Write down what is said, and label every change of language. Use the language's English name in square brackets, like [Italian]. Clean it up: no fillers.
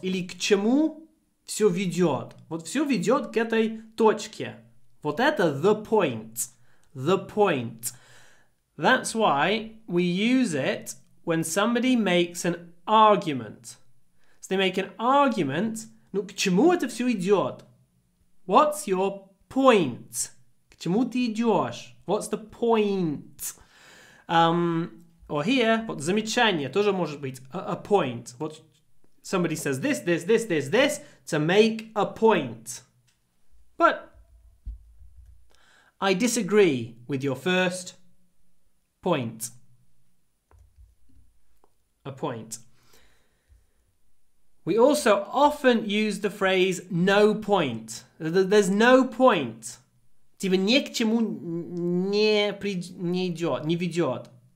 [Russian] Или к чему все ведет. Вот все ведет к этой точке. Вот это [English] the point. The point. That's why we use it when somebody makes an argument. So they make an argument. [Russian] Ну, к чему это все идет? [English] What's your point? [Russian] К чему ты идешь? [English] What's the point? Or here, [Russian] вот замечание тоже может быть [English] a point. What somebody says this to make a point. But I disagree with your first point. A point. We also often use the phrase no point. There's no point. [Russian] Типа ни к чему не идет, не ведет.